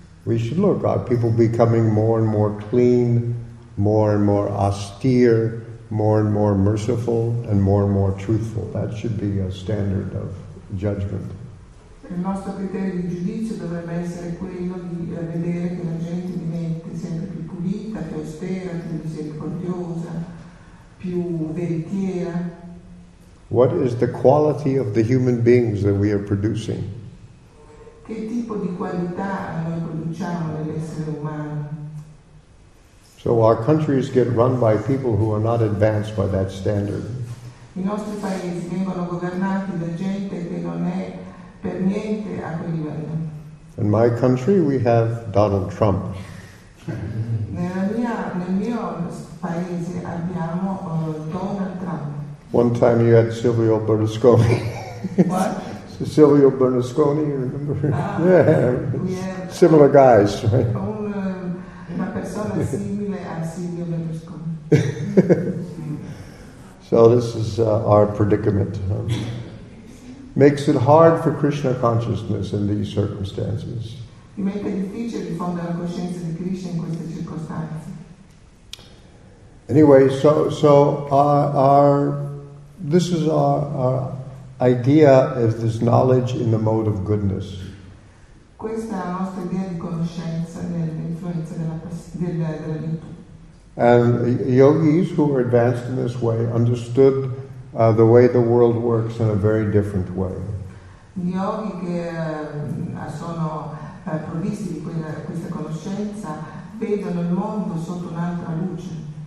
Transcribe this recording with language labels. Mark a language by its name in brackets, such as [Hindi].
[English] We should look at people becoming more and more clean, more and more austere, more and more merciful, and more truthful. That should be a standard of judgment. [Italian] Il nostro criterio di giudizio dovrebbe essere quello di vedere che la gente diventi sempre più pulita, più austera, più misericordiosa, più veritiera. [English] What is the quality of the human beings that we are producing? [Italian] Che tipo di qualità noi produciamo nell'essere umano? [English] So our countries get run by people who are not advanced by that standard. [Italian] I nostri paesi vengono governati da gente che non è per niente a quel livello. [English] In my country we have Donald Trump. [Italian] Nel mio paese abbiamo Donald Trump. [English] One time you had Silvio Berlusconi. What? Silvio Berlusconi, you remember? Yeah. Similar guys, right? [Italian] Una persona simile a Silvio Berlusconi. [English] So this is our predicament. Makes it hard for Krishna consciousness in these circumstances. [Italian] Diventa difficile diffondere la coscienza di Krishna in queste circostanze. [English] Anyway, so our this is our idea of this knowledge in the mode of goodness. [Italian] Questa è la nostra idea di conoscenza dell'influenza della virtù. [English] And yogis who were advanced in this way understood the way the world works in a very different way. [Italian] Gli yogi che sono provvisti di questa conoscenza vedono il mondo sotto un'altra luce.